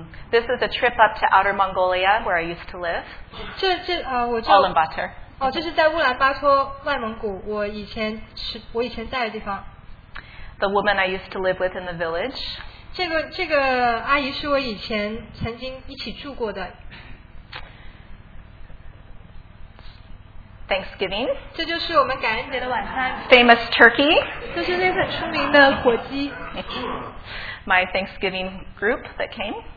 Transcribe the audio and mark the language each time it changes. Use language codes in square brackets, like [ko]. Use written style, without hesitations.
[en] This is a trip up to Outer Mongolia, where I used to live. [zh] 这我叫 [en] Ulaanbaatar. [zh] 哦，这是在乌兰巴托外蒙古，我以前在的地方。 [en] The woman I used to live with in the village. [zh] 这个阿姨是我以前曾经一起住过的。 [en] Thanksgiving. [zh] 这就是我们感恩节的晚餐。 [en] Famous turkey. [zh] 这是那份出名的火鸡。 [en] My Thanksgiving group that came.